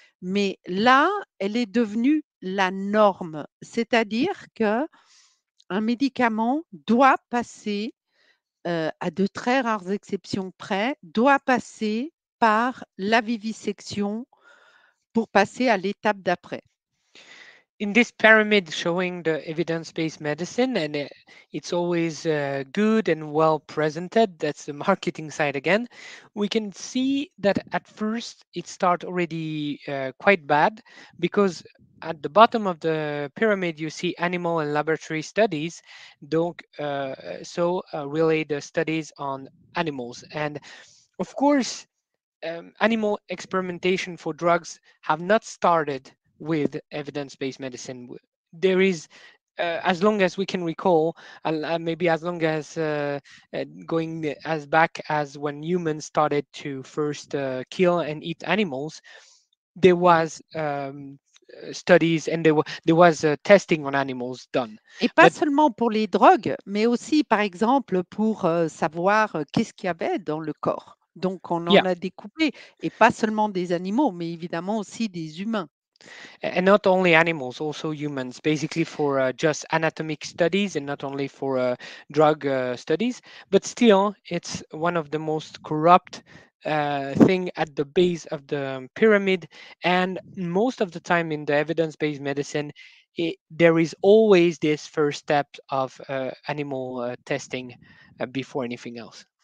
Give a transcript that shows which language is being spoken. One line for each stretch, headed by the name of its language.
French: Mais là, elle est devenue la norme. C'est-à-dire que un médicament doit passer, à de très rares exceptions près, doit passer par la vivisection pour passer à l'étape d'après.
English: In this pyramid showing the evidence-based medicine, and it's always good and well presented, that's the marketing side again, we can see that at first it start already quite bad, because at the bottom of the pyramid you see animal and laboratory studies, donc really the studies on animals. And of course, animal experimentation for drugs have not started with evidence-based medicine. There is, as long as we can recall, and maybe as long as going as back as when humans started to first kill and eat animals, there was studies and there was testing on animals done.
French: Et pas seulement pour les drogues, mais aussi, par exemple, pour savoir qu'est-ce qu'il y avait dans le corps. Donc, on en a découpé, et pas seulement des animaux, mais évidemment aussi des humains.
English: And not only animals, also humans, basically for just anatomic studies and not only for drug studies. But still, it's one of the most corrupt thing at the base of the pyramid. And most of the time in the evidence-based medicine, there is always this first step of animal testing before anything else.